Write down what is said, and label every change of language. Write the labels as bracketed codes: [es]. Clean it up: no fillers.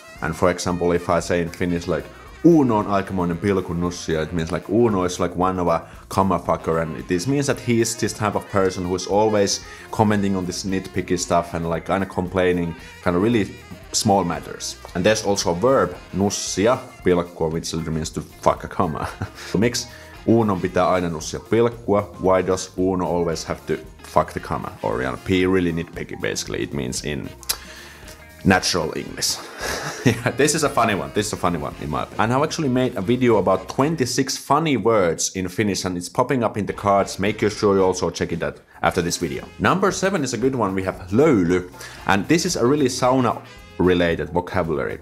[en] And for example, if I say in Finnish like [fi] Uno on aikamoinen pilkunussia, [en] it means like Uno is like one of a comma fucker, and this means that he is this type of person who is always commenting on this nitpicky stuff and like kind of complaining kind of really small matters. And there's also a verb, [fi] nussia pilkkua, [en] which literally means to fuck a comma. So [fi] miksi Uno pitää aina nussia pilkkua? [en] Why does Uno always have to fuck the comma? Or you know, be really nitpicky basically, it means in natural English. Yeah, this is a funny one in my opinion. And I've actually made a video about 26 funny words in Finnish, and it's popping up in the cards. Make sure you also check it out after this video. Number 7 is a good one. We have löyly, and this is a really sauna related vocabulary.